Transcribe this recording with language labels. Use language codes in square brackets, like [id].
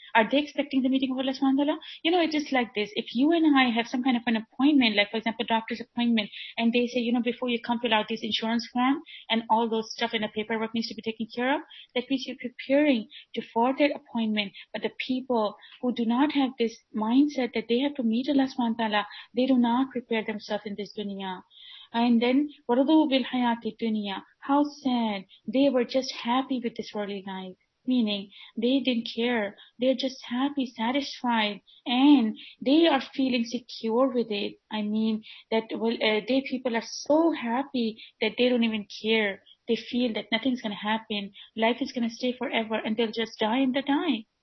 [en] Are they expecting the meeting of Allah subhanahu wa ta'ala? You know, it's just like this. If you and I have some kind of an appointment, like for example, doctor's appointment, and they say, you know, before you come fill out this insurance form and all those stuff in the paperwork needs to be taken care of, that means you're preparing to for that appointment. But the people who do not have this mindset that they have to meet Allah subhanahu wa ta'ala, they do not prepare themselves in this dunya. And then, [ar] وَرَضُوا بِالْحَيَاةِ الدُّنْيَا. [en] How sad. They were just happy with this worldly life. Meaning, they didn't care. They're just happy, satisfied, and they are feeling secure with it. I mean, that they people are so happy that they don't even care. They feel that nothing's going to happen. Life is going to stay forever, and they'll just die in the die.